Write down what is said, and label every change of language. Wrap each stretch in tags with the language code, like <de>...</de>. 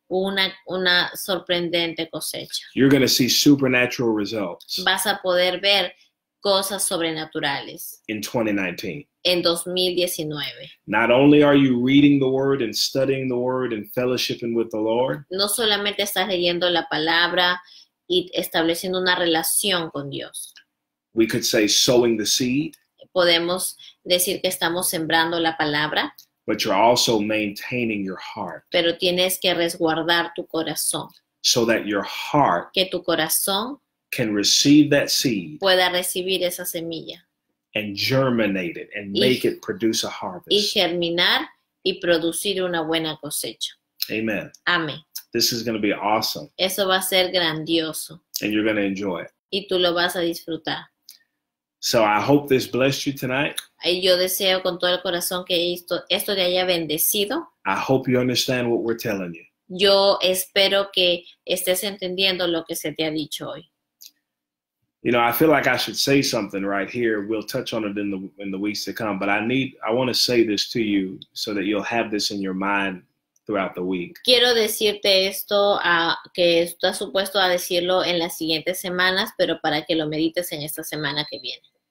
<es>Una sorprendente cosecha.</es> <en>You're going to see supernatural results.</en> <es>Vas a poder ver cosas sobrenaturales.</es> <en>In 2019.</en> <es>En 2019.</es> <en>Not only are you reading the word and studying the word and fellowshipping with the Lord.</en> <es>No solamente estás leyendo la palabra y estableciendo una relación con Dios.</es> <en>We could say sowing the seed.</en> <es>Podemos decir que estamos sembrando la palabra.</es> <en>But you're also maintaining your heart.</en> <es>Pero tienes que resguardar tu corazón.</es> <en>So that your heart.</en> <es>Que tu corazón.</es> <en>Can receive that seed.</en> <es>Pueda recibir esa semilla.</es> <en>And germinate it. And make it produce a harvest.</en> <es>Y germinar y producir una buena cosecha.</es> <en>Amen.</en> <es>Amén.</es> <en>This is going to be awesome.</en> <es>Eso va a ser grandioso.</es> <en>And you're going to enjoy it.</en> <es>Y tú lo vas a disfrutar.</es> <en>So I hope this blessed you tonight.</en> <es>Y yo deseo con todo el corazón que esto te haya bendecido.</es> <en>I hope you understand what we're telling you.</en> <es>Yo espero que estés entendiendo lo que se te ha dicho hoy.</es> <en>You know, I feel like I should say something right here. We'll touch on it in the weeks to come, but I want to say this to you so that you'll have this in your mind throughout the week.</en> <es>Quiero decirte esto que estás supuesto a decirlo en las siguientes semanas, pero para que lo medites en esta semana que viene.</es>